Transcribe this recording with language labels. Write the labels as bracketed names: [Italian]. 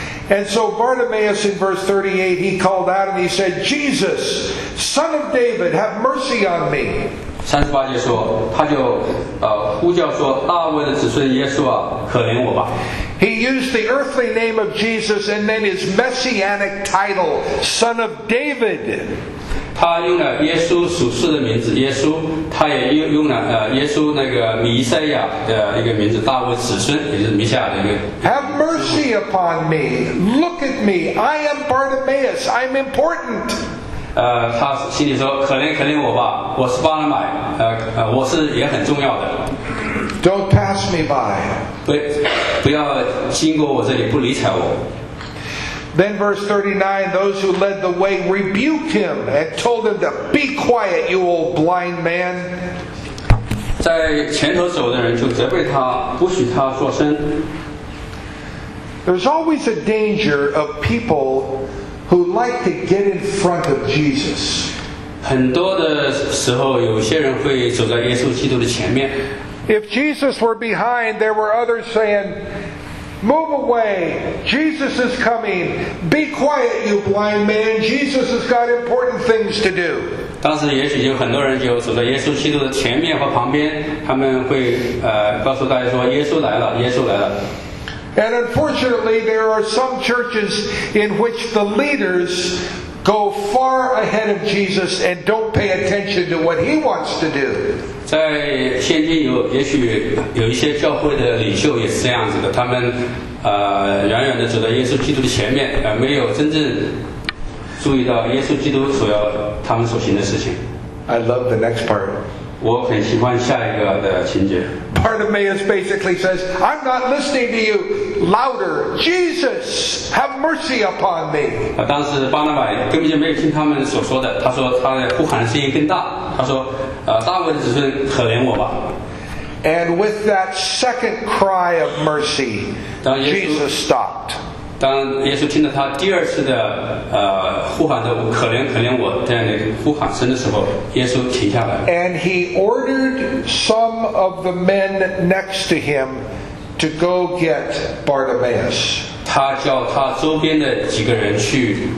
[English] And so Bartimaeus in verse 38, he called out and he said, "Jesus, Son of David, have mercy on me." [Chinese] 三十八节说，他就呼叫说，大卫的子孙耶稣啊，可怜我吧。 [English] He used the earthly name of Jesus and then his messianic title, Son of David. [Chinese] 他用了耶稣属世的名字耶稣，他也用了耶稣那个弥赛亚的一个名字大卫子孙，也就是弥赛亚的一个。 [English] Have mercy upon me. Look at me. I am Bartimaeus. I'm important. [Chinese] 他心里说可怜可怜我吧，我是巴拿马，我是也很重要的。 [English] Don't pass me by. [Chinese] 不要经过我这里，不理睬我。 [English] Then verse 39, those who led the way rebuked him and told him to be quiet, you old blind man. [Chinese] 在前头走的人就责备他，不许他说声。 [English] There's always a danger of people who like to get in front of Jesus. [Chinese] 很多的时候，有些人会走在耶稣基督的前面。 [English] If Jesus were behind, there were others saying, "Move away! Jesus is coming. Be quiet, you blind man. Jesus has got important things to do." [Chinese] 当时也许有很多人就走在耶稣基督的前面和旁边，他们会告诉大家说：“耶稣来了，耶稣来了。” [English] And unfortunately, there are some churches in which the leaders go far ahead of Jesus and don't pay attention to what he wants to do. [Chinese] 在现今也许有一些教会的领袖也是这样子的，他们远远的走在耶稣基督的前面，没有真正注意到耶稣基督所要他们所行的事情。 [English] I love the next part. [Chinese] 我很喜欢下一个的情节。 [English] Bartimaeus basically says, "I'm not listening to you. Louder, Jesus, have mercy upon me." [Chinese] 当时巴拿马根本就没有听他们所说的，他说他呼喊的声音更大，他说。 [English] And with that second cry of mercy, Jesus stopped. [Chinese] 当耶稣听到他第二次的呼喊的“可怜可怜我”这样的呼喊声的时候，耶稣停下来。 [English] And he ordered some of the men next to him to go get Bartimaeus. [Chinese] 他叫他周边的几个人去。